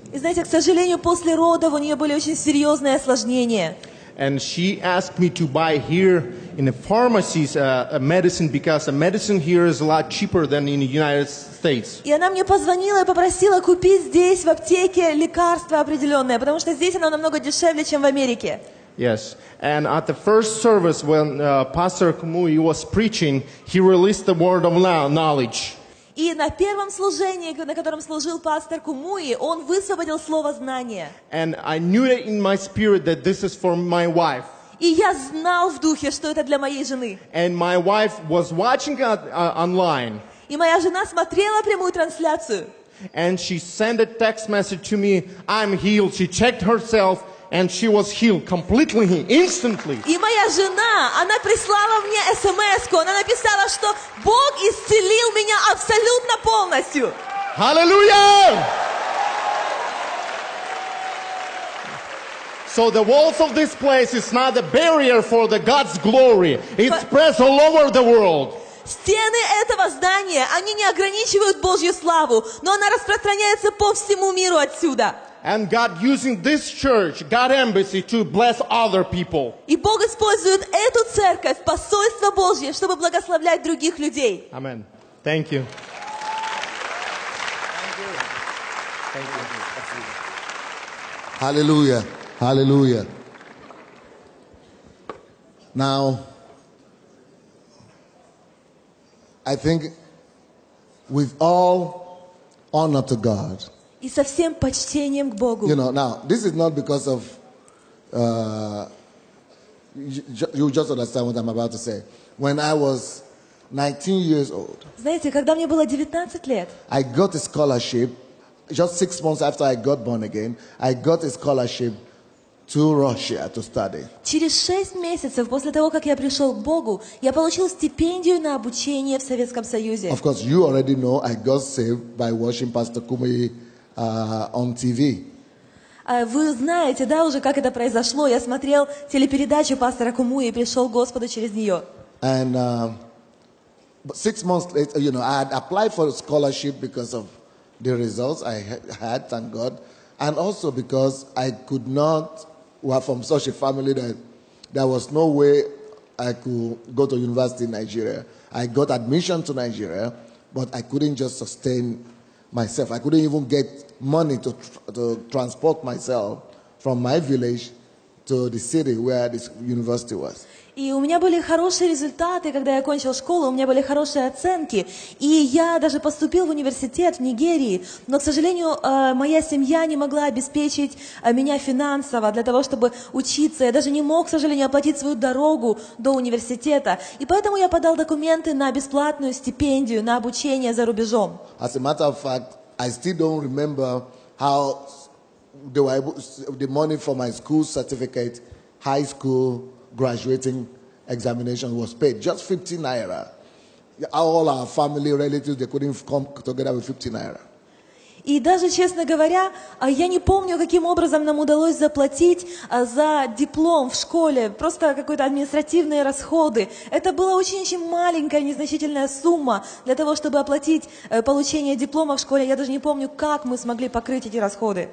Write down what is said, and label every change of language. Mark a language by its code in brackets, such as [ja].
[ru] И знаете, к сожалению, после родов у нее были очень серьезные осложнения. [en] And she asked me to buy here in the pharmacies a medicine because the medicine here is a lot cheaper than in the United States. [ru] И она мне позвонила и попросила купить здесь в аптеке лекарства определенные, потому что здесь оно намного дешевле, чем в Америке. [en] Yes, and at the first service when Pastor Kumuyi was preaching, he released the word of knowledge. [ru] И на первом служении, на котором служил пастор Кумуи, он высвободил слово знания. [en] And I knew it in my spirit that this is for my wife. [ru] И я знал в духе, что это для моей жены. [en] And my wife was watching online. [ru] И моя жена смотрела прямую трансляцию. [en] And she sent a text message to me, I'm healed. She checked herself. And she was healed completely, instantly. [ru] И моя жена, она прислала мне смс-ку. Она написала, что Бог исцелил меня абсолютно полностью. [en] Hallelujah! So the walls of this place is not a barrier for the God's glory. It spreads all over the world. [ru] Стены этого здания, они не ограничивают Божью славу, но она распространяется по всему миру отсюда. [en] And God using this church, God embassy, to bless other people. [ru] И Бог использует эту церковь, посольство Божье, чтобы благословлять других людей. [en] Amen. Thank you. Thank you. Thank you. Hallelujah. Hallelujah. Now, I think with all honor to God. [ru] И со всем почтением к Богу. [en] You know, now, this is not because of, you just understand what I'm about to say. When I was 19 years old, [ru] знаете, когда мне было 19 лет, [en] I got a scholarship, just 6 months after I got born again, I got a scholarship to Russia to study. [ru] Через 6 месяцев после того, как я пришёл к Богу, я получил стипендию на обучение в Советском Союзе. [en] Of course, you already know I got saved by watching Pastor Kumuyi on TV. [ru] Вы знаете, да, уже как это произошло. Я смотрел телепередачу пастора Кумуи и пришёл к Господу через неё. [en] And but 6 months later, you know, I had applied for a scholarship because of the results I had, thank God. And also because I could not, were from such a family that there was no way I could go to university in Nigeria. I got admission to Nigeria, but I couldn't just sustain myself. I couldn't even get money to transport myself from my village to the city where this university was. [ru] И у меня были хорошие результаты, когда я окончил школу, у меня были хорошие оценки. И я даже поступил в университет в Нигерии. Но, к сожалению, моя семья не могла обеспечить меня финансово для того, чтобы учиться. Я даже не мог, к сожалению, оплатить свою дорогу до университета. И поэтому я подал документы на бесплатную стипендию, на обучение за рубежом. [en] As a matter of fact, I still don't remember how the money for my school certificate, high school graduating examination was paid, just 50 naira. All our family relatives, they couldn't come together with 50 naira. [ru] И даже, честно говоря, я не помню, каким образом нам удалось заплатить за диплом в школе, просто какие-то административные расходы. Это была очень-очень маленькая, незначительная сумма для того, чтобы оплатить получение диплома в школе. Я даже не помню, как мы смогли покрыть эти расходы.